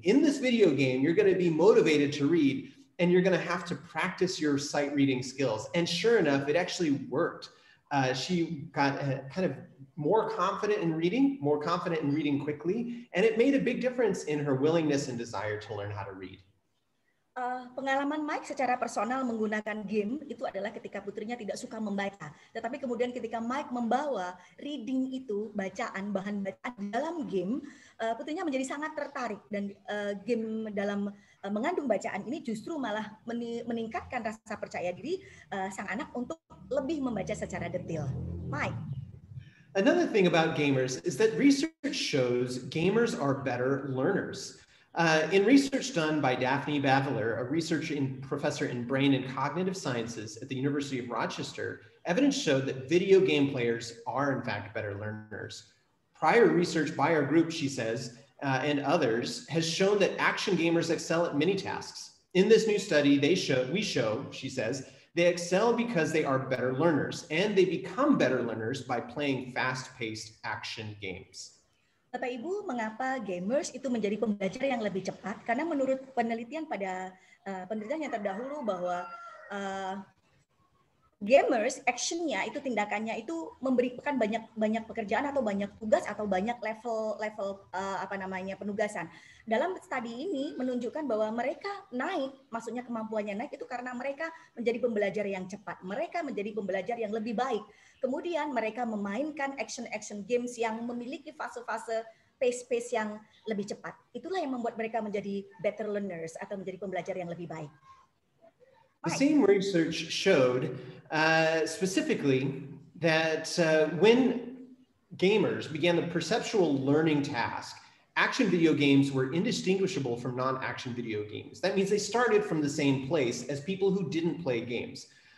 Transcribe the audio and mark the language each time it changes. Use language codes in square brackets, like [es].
[en] In this video game, you're going to be motivated to read, and you're going to have to practice your sight reading skills. And sure enough, it actually worked. She got kind of more confident in reading quickly, and it made a big difference in her willingness and desire to learn how to read. [id] Pengalaman Mike secara personal menggunakan game itu adalah ketika putrinya tidak suka membaca. Tetapi kemudian ketika Mike membawa reading itu, bacaan, bahan bacaan dalam game, putrinya menjadi sangat tertarik. Dan game dalam mengandung bacaan ini justru malah meningkatkan rasa percaya diri sang anak untuk lebih membaca secara detail. Mike. [en] Another thing about gamers is that research shows gamers are better learners. In research done by Daphne Baveler, a researcher and professor in brain and cognitive sciences at the University of Rochester, evidence showed that video game players are in fact better learners. Prior research by our group, she says, and others, has shown that action gamers excel at many tasks. In this new study, she says, they excel because they are better learners, and they become better learners by playing fast-paced action games. [id] Bapak Ibu, mengapa gamers itu menjadi pembelajar yang lebih cepat? Karena menurut penelitian pada penelitian yang terdahulu bahwa gamers action-nya itu tindakannya itu memberikan banyak pekerjaan atau banyak tugas atau banyak level penugasan. Dalam studi ini menunjukkan bahwa mereka naik, maksudnya kemampuannya naik itu karena mereka menjadi pembelajar yang cepat. Mereka menjadi pembelajar yang lebih baik. Kemudian mereka memainkan action games yang memiliki fase-fase pace yang lebih cepat. Itulah yang membuat mereka menjadi [en] better learners [id] atau menjadi pembelajar yang lebih baik. [en] The same research showed specifically that when gamers began the perceptual learning task, action video games were indistinguishable from non-action video games. That means they started from the same place as people who didn't play games.